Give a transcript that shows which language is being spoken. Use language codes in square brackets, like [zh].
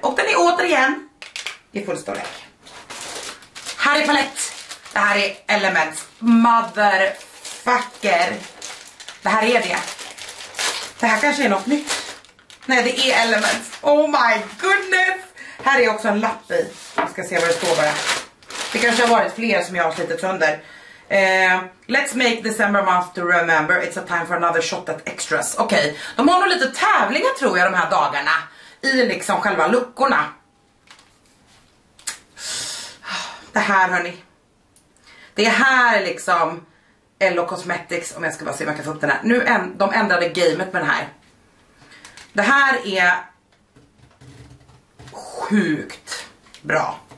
[sv] Och den är återigen i full storlek. Här är palett, det här är Elements, motherfucker. Det här är det. Det här kanske är något nytt. Nej, det är Elements, [en] oh my goodness. [sv] Här är också en lapp i, vi ska se vad det står bara. Det kanske har varit fler som jag har slitit sönder. [en] Let's make December month to remember, it's a time for another shot at extras. [sv] Okej, okay. De har nog lite tävlingar tror jag de här dagarna i liksom själva luckorna. Det här hörni, det är här liksom LO Cosmetics, om jag ska bara se om jag kan få upp den här. Nu de ändrade gamet med den här. Det här är sjukt bra.